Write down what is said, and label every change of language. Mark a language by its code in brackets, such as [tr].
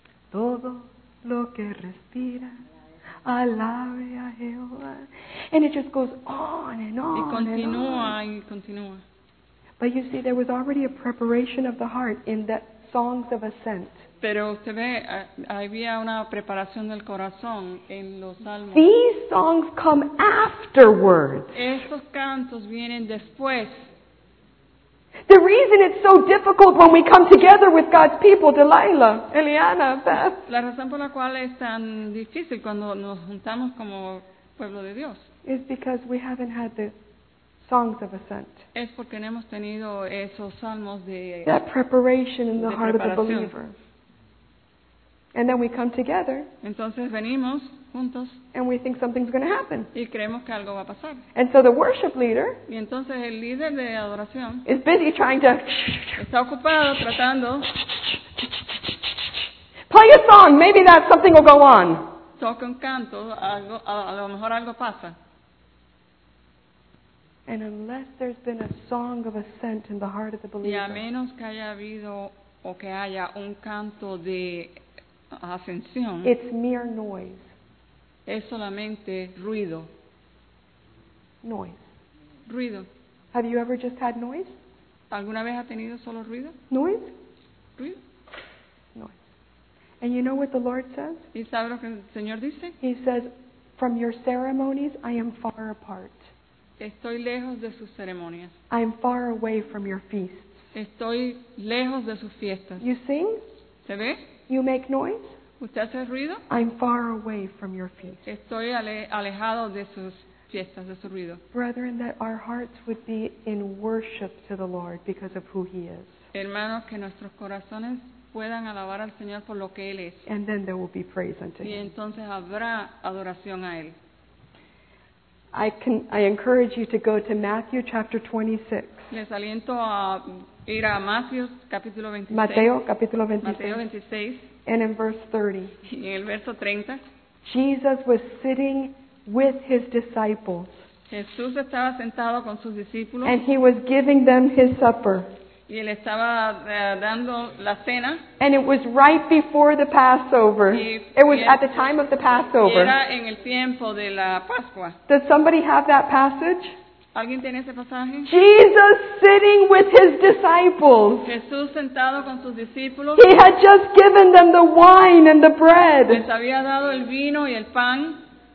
[es] Todo lo que respira, alabe a Jehová. [en] And it just goes on and on. [es] Y continúa y continúa. [en] But you see, there was already a preparation of the heart in the songs of ascent. [es] Pero usted ve, había una preparación del corazón en los salmos. [en] These songs come afterwards. [es] Estos cantos vienen después. [en] The reason it's so difficult when we come together with God's people, Delilah, Eliana, Beth. [es] La razón por la cual es tan difícil cuando nos juntamos como pueblo de Dios. [en] Is because we haven't had the songs of ascent. [es] Es porque no hemos tenido esos salmos de [en] that preparation in the heart of the believer. And then we come together. [es] Entonces venimos juntos. [en] And we think something's going to happen. [es] Y creemos que algo va a pasar. [en] And so the worship leader. [es] Y entonces el líder de adoración. [en] Is busy trying to. [es] Está ocupado tratando. [en] Play a song. Maybe that something will go on. [es] Toca un canto. Algo, a lo mejor algo pasa. [en] And unless there's been a song of ascent in the heart of the believer, [es] y a menos que haya habido o que haya un canto de ascensión, [en] it's mere noise. [es] Es solamente ruido. [en] Noise. [es] Ruido. [en] Have you ever just had noise? [es] ¿Alguna vez ha tenido solo ruido? [en] Noise. [es] Ruido. [en] Noise. And you know what the Lord says? [es] ¿Y sabe lo que el Señor dice? [en] He says, "From your ceremonies, I am far apart." [es] Estoy lejos de sus ceremonias. [en] I'm far away from your feasts. [es] Estoy lejos de sus fiestas. [en] You sing? [es] ¿Se ve? [en] You make noise? [es] ¿Usted hace ruido? [en] I'm far away from your feasts. [es] Estoy alejado de sus si estás destruido. [en] Brethren, that our hearts would be in worship to the Lord because of who He is. [es] Hermanos, que nuestros corazones puedan alabar al Señor por lo que Él es. [en] And then there will be praise unto Him. [es] Y entonces habrá adoración a Él. [en] I encourage you to go to Matthew chapter 26. [es] Les aliento a ir a Mateo capítulo 26. Mateo capítulo 26. [en] And in verse 30. [es] Y en el verso 30. [en] Jesus was sitting with his disciples. [es] Jesús estaba sentado con sus discípulos. [en] And he was giving them his supper. [es] Y él estaba dando la cena. [en] And it was right before the Passover. It was at the time of the Passover. [es] Era en el tiempo de la Pascua. [en] Does somebody have that passage? [es] ¿Alguien tiene ese pasaje? [en] Jesus sitting with his disciples. [es] Jesús sentado con sus discípulos. [en] He had just given them the wine and the bread. [es] Les había dado el vino y el pan.